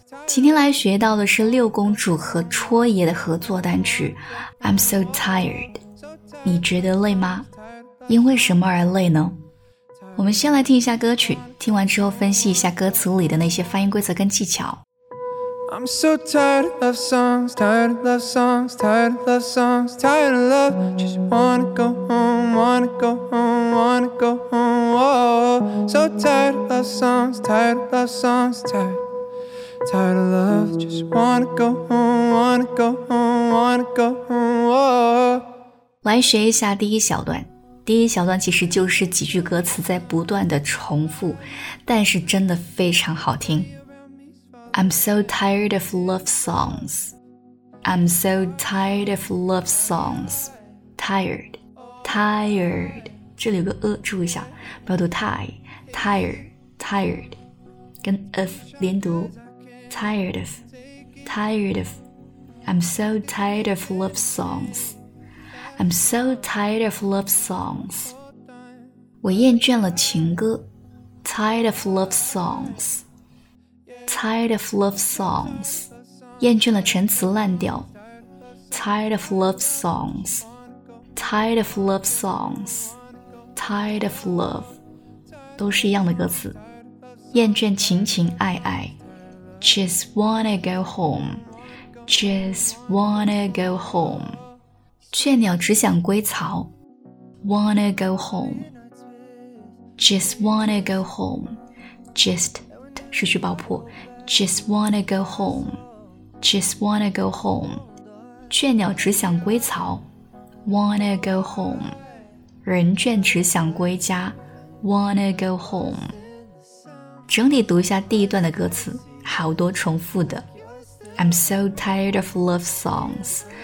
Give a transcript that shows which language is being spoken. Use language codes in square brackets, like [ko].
[zh] 今天来学到的是六公主和戳爷的合作单曲 I'm so tired。你觉得累吗？因为什么而累呢？我们先来听一下歌曲，听完之后分析一下歌词里的那些发音规则跟技巧。 [en] I'm so tired of love songs, tired of love songs, tired of love songs, tired of love. Just wanna go home, wanna go home, wanna go home. Whoa, so tired of love songs, tired of love songs, tired of love. Just wanna go home, wanna go home, wanna go home. Whoa. [zh] 来学一下第一小段。第一小段其实就是几句歌词在不断的重复，但是真的非常好听。 [en] I'm so tired of love songs. I'm so tired of love songs. Tired, tired. [zh] 这里有个注意一下，不要读 [en] tie, tired, tired. 跟 of 连读 tired of, tired of. I'm so tired of love songs. I'm so tired of love songs. [zh] 我厌倦了情歌 [en] tired of love songs. Tired of love songs. [zh] 厌倦了陈词滥调 [en] Tired of love songs. Tired of love songs. Tired of love. [zh] 都是一样的歌词。厌倦情情爱爱 [en] Just wanna go home. Just wanna go home. [zh] 倦鸟只想归巢 [en] Wanna go home. Just wanna go home. Just [zh] 失去爆破 [en] Just wanna go home. Just wanna go home. [zh] 倦鸟只想归巢 [en] Wanna go home. [zh] 人倦只想归家 [en] Wanna go home. [zh] 整体读一下第一段的歌词，好多重复的。 [en] I'm so tired of love songs.